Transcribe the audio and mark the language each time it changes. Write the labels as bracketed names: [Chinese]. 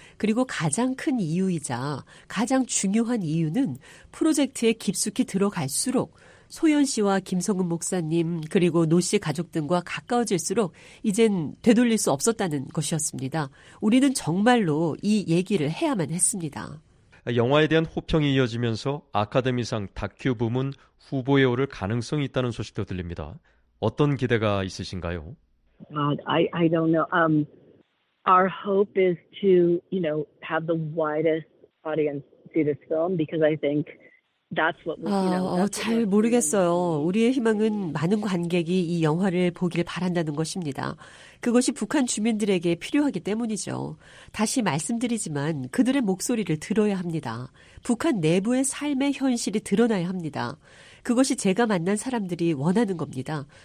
[Korean] 그리고 가장 큰 이유이자 가장 중요한 이유는 프로젝트에 깊숙이 들어갈수록 소연 씨와 김성근 목사님 그리고 노 씨 가족 등과 가까워질수록 이젠 되돌릴 수 없었다는 것이었습니다. 우리는 정말로 이 얘기를 해야만 했습니다. 영화에 대한 호평이 이어지면서 아카데미상 다큐 부문 후보에 오를 가능성이 있다는 소식도 들립니다. 어떤 기대가 있으신가요? [English] I don't know. Our hope is to, you know, have the widest audience see this film because I think that's what we, you know. [Korean] 잘 모르겠어요. 우리의 희망은 많은 관객이 이 영화를 보길 바란다는 것입니다. 그것이 북한 주민들에게 필요하기 때문이죠. 다시 말씀드리지만 그들의 목소리를 들어야 합니다. 북한 내부의 삶의 현실이 드러나야 합니다. 그것이 제가 만난 사람들이 원하는 겁니다.